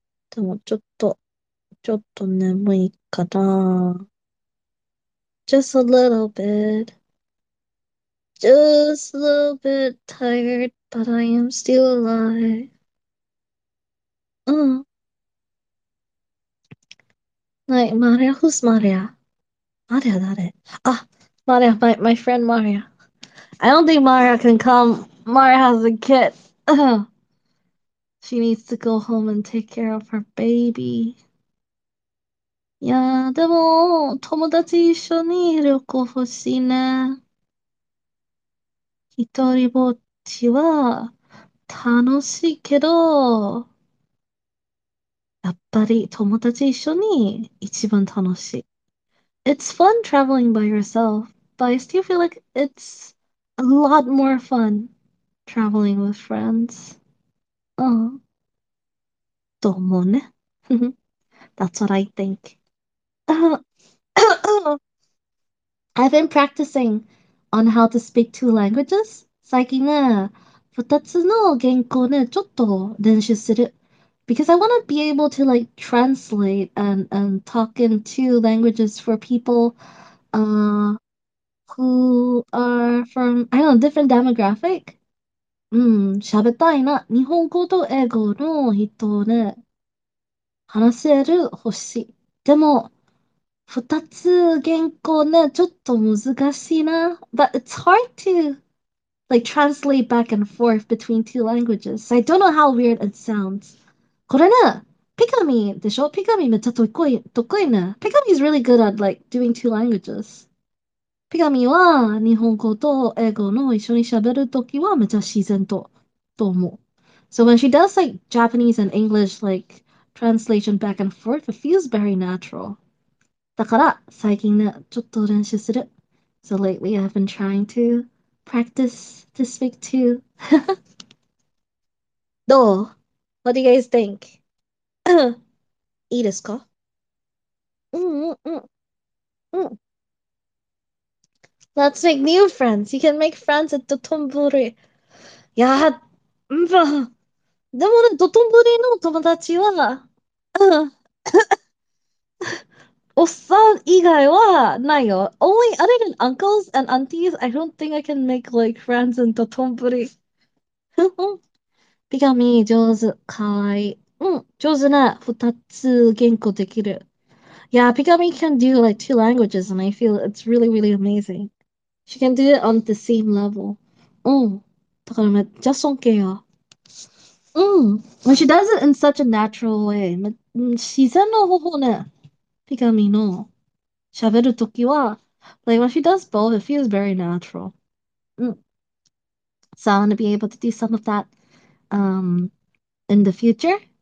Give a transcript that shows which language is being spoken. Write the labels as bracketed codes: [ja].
[ja] でもちょっと眠いかな。 [en] Just a little bit. Just a little bit tired, but I am still alive. Like, Maria, who's Maria? Maria, that Ah, Maria, my friend Maria. I don't think Maria can come. Maria has a kid. She needs to go home and take care of her baby. [ja] Yeah, でも、友達一緒に旅行欲しいね。一人ぼっちは楽しいけど、やっぱり友達一緒に一番楽しい。 [en] It's fun traveling by yourself, but I still feel like it's a lot more fun traveling with friends. Oh. [ja] どうもね。 [en] That's what I think. I've been practicing on how to speak two languages. [ja] 最近ね、二つの言語ね、ちょっと練習する。 [en] Because I want to be able to like translate and talk in two languages for people who are from, I don't know, different demographic. [ja] 喋ったいな。日本語と英語の人ね、話せる欲しい。でも、二つ言語ね、ちょっと難しいな。 [en] But it's hard to like translate back and forth between two languages. So I don't know how weird it sounds. [ja] これね、ピカミでしょ？ピカミめっちゃ得意ね。 [en] ピカミ is really good at like doing two languages。 [ja] ピカミは日本語と英語の一緒に喋るときはめっちゃ自然と思う。 [en] So when she does like Japanese and English like translation back and forth, it feels very natural。 [ja] だから最近ね、ちょっと練習する。 [en] So lately I've been trying to practice to speak to。 [ja] どう？ [en] What do you guys think? [ja] いいですか？ [en] Let's make new friends. You can make friends at Dotonbori. [ja] やっ、んば。でもね、Dotonbori の友達は、おっさん以外はないよ。 [en] Only other than uncles and aunties, I don't think I can make like friends in Dotonbori. [ja] ピカミ、上手。かわいい。上手な、二つ言語できる。 [en] Yeah, ピカミ can do like two languages and I feel it's really, really amazing. She can do it on the same level. [ja] だからめっちゃ尊敬よ。 [en] When she does it in such a natural way. [ja] 自然の方法ね。ピカミの喋るときは、 [en] like, when she does both, it feels very natural. So I want to be able to do some of that in the future.